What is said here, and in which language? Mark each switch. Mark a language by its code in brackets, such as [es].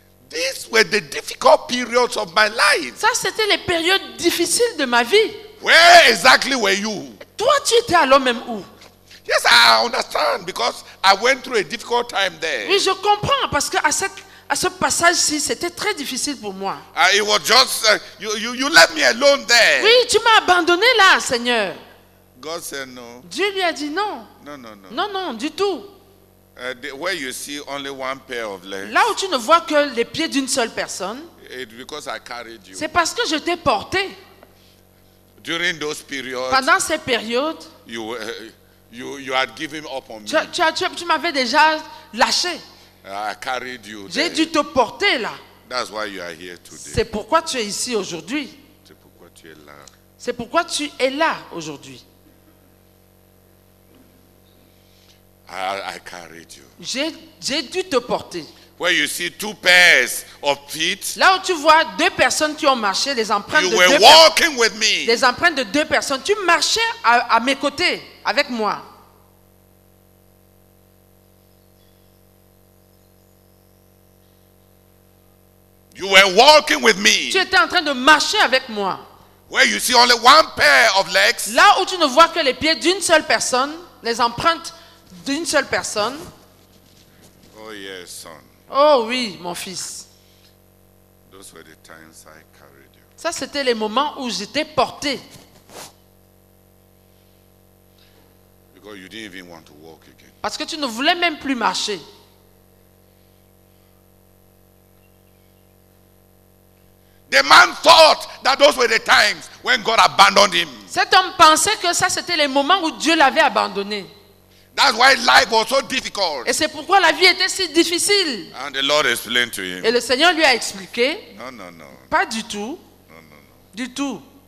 [en] These were the difficult periods of my life. [fr] Ça, c'était les périodes difficiles de ma vie. [en] Where exactly were you? [fr] Toi, tu étais alors même où? [en] Yes, I understand because I went through a difficult time there. [fr] Oui, je comprends parce que à ce passage-ci, c'était très difficile pour moi. [en] It was just you left me alone there. [fr] Oui, tu m'as abandonné là, Seigneur. [en] God said no. [fr] Dieu lui a dit non. Non, du tout. [en] Where you see only one pair of legs. [fr] Là où tu ne vois que les pieds d'une seule personne. [en] It's because I carried you. [fr] C'est parce que je t'ai porté. [en] During those periods. [fr] Pendant ces périodes. [en] You had given up on me. [fr] Tu m'avais déjà lâché. [en] I carried you. [fr] J'ai dû te porter là. [en] That's why you are here today. [fr] C'est pourquoi tu es ici aujourd'hui. C'est pourquoi tu es là. C'est pourquoi tu es là aujourd'hui. [en] I carried you. [fr] J'ai dû te porter. [en] Where you see two pairs of feet. [fr] Là où tu vois deux personnes qui ont marché, les empreintes [en] you [fr] de [en] were [fr] deux [en] walking with me. [fr] Les empreintes de deux personnes. Tu marchais à mes côtés, avec moi. [en] You were walking with me. [fr] Tu étais en train de marcher avec moi. [en] Where you see only one pair of legs. [fr] Là où tu ne vois que les pieds d'une seule personne, les empreintes d'une seule personne. [en] Oh yes, son. [fr] Oh oui, mon fils. [en] Those were the times I carried you. [fr] Ça, c'était les moments où j'étais porté. [en] Because you didn't even want to walk again. [fr] Parce que tu ne voulais même plus marcher. [en] The man thought that those were the times when God abandoned him. [fr] Cet homme pensait que ça, c'était les moments où Dieu l'avait abandonné. [en] That's why life was so difficult. [fr] Et c'est pourquoi la vie était si difficile. [en] And the Lord explained to him. [fr] Et le Seigneur lui a expliqué. Non. Pas du tout. Non. Du tout.